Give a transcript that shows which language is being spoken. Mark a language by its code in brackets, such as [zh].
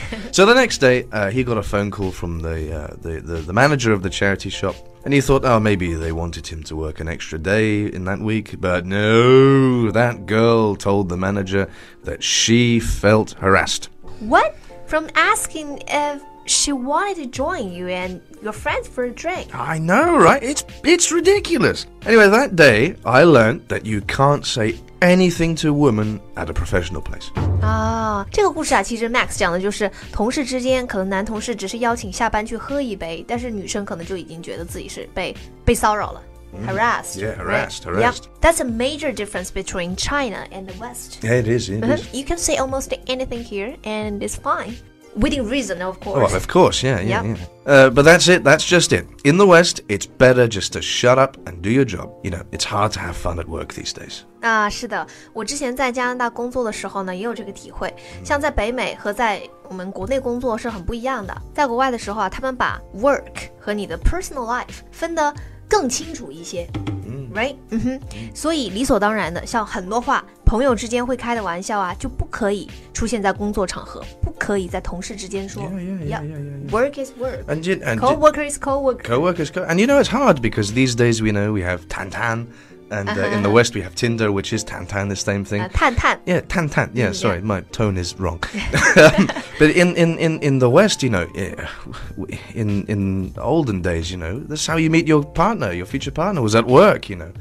[en] So the next day, he got a phone call from the manager of the charity shop, and he thought, oh, maybe they wanted him to work an extra day in that week, but no, that girl told the manager that she felt harassed. What? From asking if she wanted to join you and your friends for a drink? I know, right? It's ridiculous. Anyway, that day, I learned that you can't say anything to a woman at a professional place. [zh] 这个故事啊，其实 Max 讲的就是同事之间，可能男同事只是邀请下班去喝一杯，但是女生可能就已经觉得自己是被骚扰了。 [en] Harassed. Yeah, harassed. Yep. That's a major difference between China and the West. Yeah, it is. You can say almost anything here and it's fine. Within reason, of course. Well, of course, yeah. But that's it, that's just it. In the West, it's better just to shut up and do your job. You know, it's hard to have fun at work these days. [zh] 是的，我之前在加拿大工作的时候呢，也有这个体会。像在北美和在我们国内工作是很不一样的。在国外的时候啊，他们把 work 和你的 personal life 分得更清楚一些，right？所以理所当然的，像很多话，朋友之间会开的玩笑啊，就不可以出现在工作场合，不可以在同事之间说。 [en] Yeah. Work is work. Coworker is coworker. Coworker is and you know it's hard because these days we know we have Tantan, and in the West we have Tinder, which is Tantan, the same thing. Tantan. Yeah, Tantan. Yeah, sorry, my tone is wrong. But in the West, you know, in olden days, you know, that's how you meet your partner, your future partner was at work, you know.